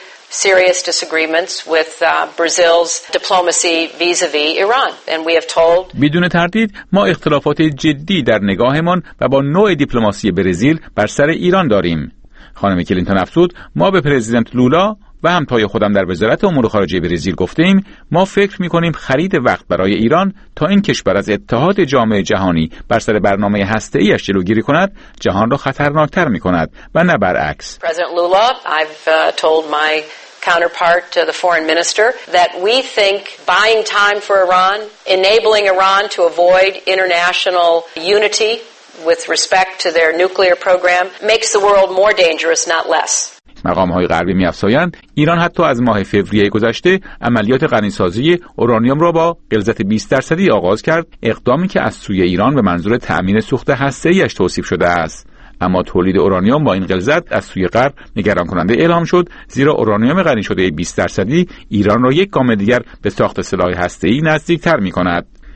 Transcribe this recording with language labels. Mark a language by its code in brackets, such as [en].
[en] serious disagreements with Brazil's diplomacy vis-a-vis Iran and we have told [fa] بدون تردید ما اختلافات جدی در نگاهمان و با نوع دیپلماسی برزیل بر سر ایران داریم. خانم کلینتون افزود: ما به پرزیدنت لولا و همتای خودم در وزارت امور خارجه برزیل گفتیم ما فکر می‌کنیم خرید وقت برای ایران تا این کشور از اتحاد جامعه جهانی بر سر برنامه هسته‌ای‌اش جلوگیری کند جهان را خطرناک‌تر می‌کند و نه برعکس. [en] President Lula, I've told my counterpart to the foreign minister that we think buying time for Iran, enabling Iran to avoid international unity with respect to their nuclear program makes the world more dangerous, not less. [fa] مقام‌های غربی می‌افزایند ایران حتی از ماه فوریه گذشته عملیات غنی‌سازی اورانیوم را با غلظت 20% آغاز کرد، اقدامی که از سوی ایران به منظور تأمین سوخت هسته‌ای‌اش توصیف شده است. اما تولید اورانیوم با این غلظت از سوی غرب نگران کننده اعلام شد، زیرا اورانیوم غنی شده 20% ایران را یک گام دیگر به ساخت سلاح هسته‌ای نزدیک‌تر می‌کند.